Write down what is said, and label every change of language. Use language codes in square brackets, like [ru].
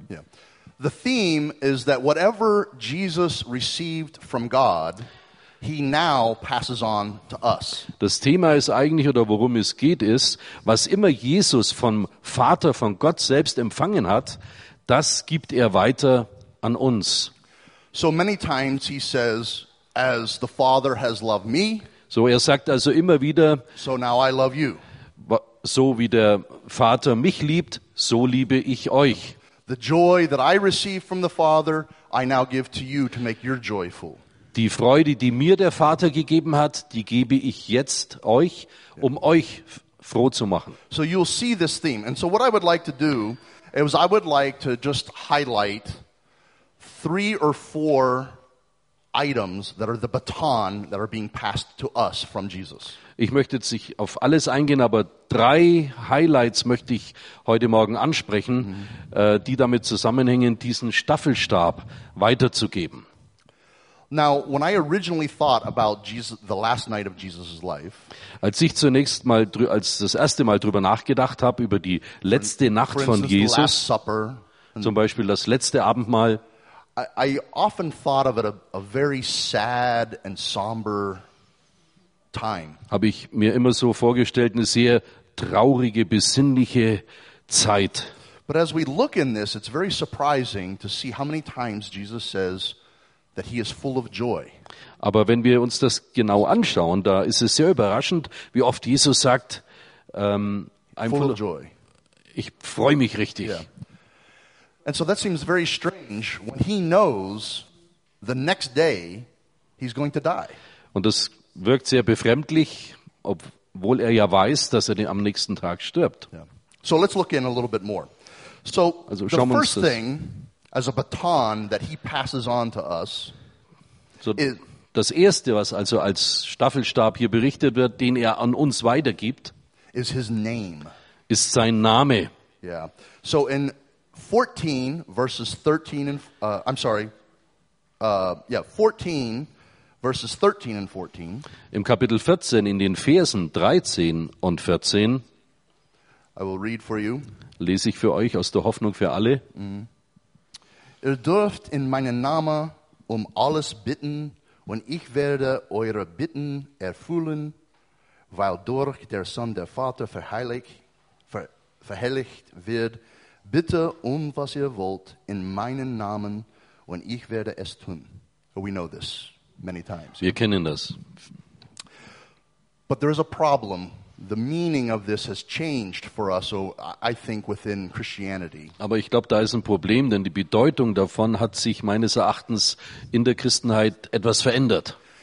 [en] Yeah. The theme is that whatever Jesus received from God, he now passes on to us. [de] Das Thema ist eigentlich, oder worum es geht, ist, was immer Jesus vom Vater, von Gott selbst empfangen hat, das gibt weiter an uns. [en] So many times he says, as the Father has loved me, [de] so sagt also immer wieder, [en] so now I love you. [de] So wie der Vater mich liebt, so liebe ich euch. [en] The joy that I receive from the Father, I now give to you to make your joy full. [de] Die Freude, die mir der Vater gegeben hat, die gebe ich jetzt euch, um euch froh zu machen. [en] So you'll see this theme. And so what I would like to do is I would like to just highlight 3 or 4 items that are the baton that are being passed to us from Jesus. [de] Ich möchte jetzt nicht auf alles eingehen, aber 3 Highlights möchte ich heute Morgen ansprechen, die damit zusammenhängen, diesen Staffelstab weiterzugeben. [en] Now, when I originally thought about Jesus, the last night of Jesus' life, [de] als ich zunächst mal, als das erste Mal drüber nachgedacht habe über die letzte Nacht von Jesus, [en] Supper, [de] zum Beispiel das letzte Abendmahl, [en] I often thought of it a very sad and somber time. [de] Habe ich mir immer so vorgestellt, eine sehr traurige, besinnliche Zeit. [en] But as we look in this, it's very surprising to see how many times Jesus says that he is full of joy. [de] Aber wenn wir uns das genau anschauen, da ist es sehr überraschend, wie oft Jesus sagt, [en] full of joy. [de] Ich freue mich richtig. Yeah. [en] And so that seems very strange when he knows the next day he's going to die. [de] Und das wirkt sehr befremdlich, obwohl ja weiß, dass am nächsten Tag stirbt. [en] Yeah. So let's look in a little bit more. So [de] also, [en] the first thing as a baton that he passes on to us. [de] So das erste, was also als Staffelstab hier berichtet wird, den an uns weitergibt, [en] is his name. [de] Ist sein Name. [en] Yeah. So in 14 verses 13 and yeah, 14 verses 13 and 14. [de] Im Kapitel 14 in den Versen 13 und 14. [en] I will read for you. [de] Lese ich für euch aus der Hoffnung für alle. Ihr dürft in meinem Namen alles bitten, und ich werde eure Bitten erfüllen, weil durch der Sohn der Vater verherrlicht wird. Bitte was ihr wollt in meinem Namen, und ich werde es tun. [en] We know this many times. [de] Wir kennen das. [en] But there is a problem. The meaning of this has changed for us, so I think, within Christianity. [de] Aber ich glaube, da ist ein Problem, denn die Bedeutung davon hat sich meines Erachtens in der Christenheit etwas verändert.